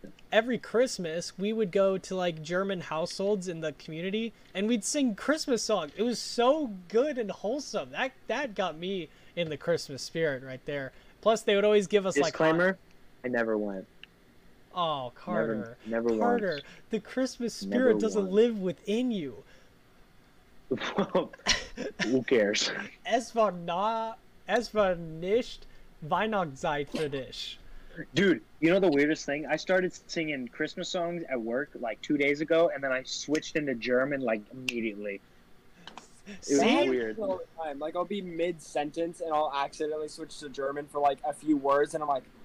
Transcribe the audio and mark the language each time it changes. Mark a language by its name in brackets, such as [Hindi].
[English] Every Christmas we would go to like German households in the community and we'd sing Christmas songs. It was so good and wholesome. That got me in the Christmas spirit right there. Plus they would always give us disclaimer, I never went. Oh, Carter. Never Carter, once. The Christmas spirit never doesn't once. Live within you. Who cares? [German] Es war nicht Weihnachtszeit für dich. [English] Dude, you know the weirdest thing? I started singing Christmas songs at work like 2 days ago, and then I switched into German like immediately. It was weird. Like, I'll be mid-sentence, and I'll accidentally switch to German for like a few words, and I'm like...